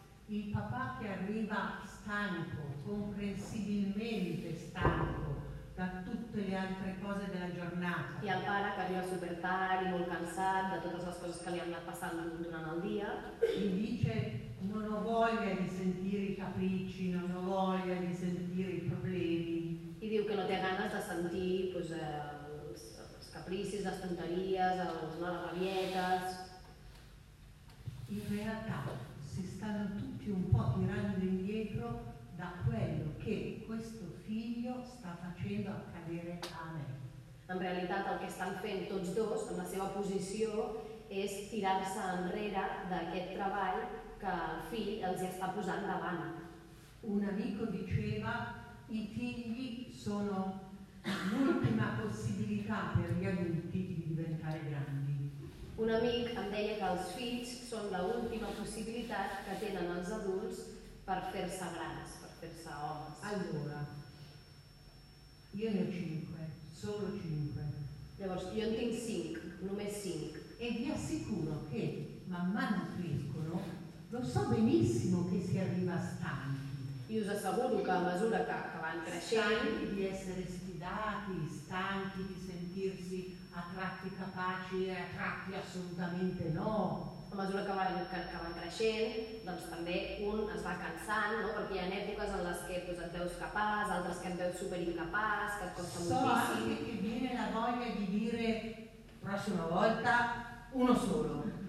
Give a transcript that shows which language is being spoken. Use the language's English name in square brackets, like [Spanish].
[Italian] Il papà che arriva stanco, comprensibilmente stanco, da tutte le altre cose della giornata. [Catalan] I el pare que arriva super tard i molt cansat de totes les coses que li han anat passant durant el dia. [Italian] I dice, non ho voglia di sentire i capricci, non ho voglia di sentire i problemi. [Catalan] I diu que no té ganes de sentir, pues, els capricis, les tonteries, les rabietes. [Italian] In realtà si stanno tutti tutti un po' tirando indietro da quello che questo figlio sta facendo accadere a me. [Catalan] En realitat el que estan fent tots dos amb la seva posició és tirar-se enrere d'aquest treball que el fill els està posant davant. [Italian] Un amico diceva i figli sono l'ultima possibilità per gli adulti di diventare grandi. [Catalan] Un amic em deia que els fills són l'última possibilitat que tenen els adults per fer-se grans, per fer-se homes. [Italian] Allora, io ne ho 5, solo 5. [Catalan] Llavors, jo en tinc 5, només 5. [Italian] E vi assicuro che man mano crescono, lo so benissimo che si arriva stanchi. [Catalan] I us asseguro que a mesura que van creixent... [Italian] Stanchi di essere sfidati, stanchi di sentirsi a tratti capaci e a tratti assolutamente no. [Catalan] A mesura que van creixent, doncs també un es va cansant, no? Perquè hi ha èpoques en les que doncs, et veus capaç, altres que et veus superincapaç, que et costa moltíssim. [Italian] So anche che viene la voglia di dire, prossima volta, uno solo.